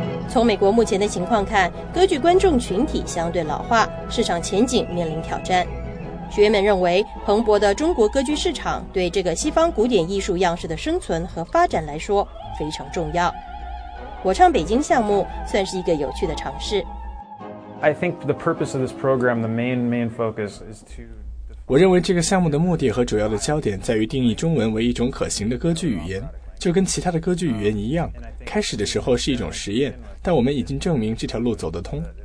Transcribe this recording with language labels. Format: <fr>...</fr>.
<zh>从美国目前的情况看，歌剧观众群体相对老化，市场前景面临挑战。学员们认为，蓬勃的中国歌剧市场对这个西方古典艺术样式的生存和发展来说非常重要。我唱北京项目算是一个有趣的尝试。</zh> <en>I think the purpose of this program, the main focus is to...</en> <zh>我认为这个项目的目的和主要的焦点在于定义中文为一种可行的歌剧语言，就跟其他的歌剧语言一样，开始的时候是一种实验，但我们已经证明这条路走得通。</zh>